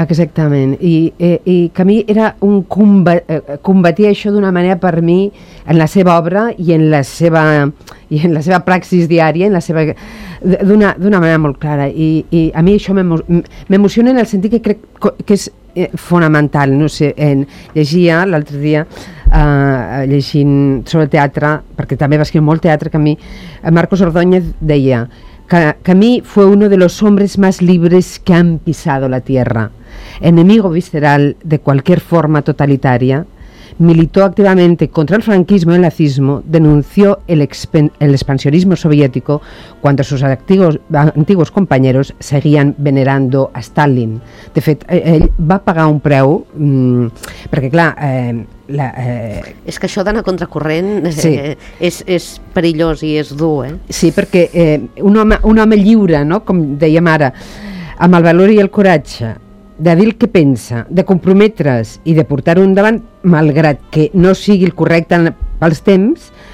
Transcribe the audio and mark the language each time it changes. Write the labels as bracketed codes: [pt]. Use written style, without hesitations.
[ca] Exactament, i que a mi era un combatir això d'una manera, per mi, en la seva obra i en la seva, praxis diària, en la seva, d'una manera molt clara, i a mi això m'emociona en el sentit que crec que és fonamental. No sé, llegia l'altre dia llegint sobre teatre, perquè també va escriure molt teatre, que a mi [es] Marcos Ordóñez deia que a mi fue uno de los hombres más libres que han pisado la tierra, enemigo visceral de cualquier forma totalitaria, militó activamente contra el franquismo y el nazismo, denunció el expansionismo soviético cuando sus antiguos compañeros seguían venerando a Stalin. [ca] De fet, ell va pagar un preu, perquè clar... És que això d'anar contracorrent, sí, és perillós i és dur, eh? Sí, perquè un home lliure, no? Com dèiem ara, amb el valor i el coratge de dir el que pensa, de comprometre's i de portar-ho endavant, malgrat que no sigui el correcte pels temps,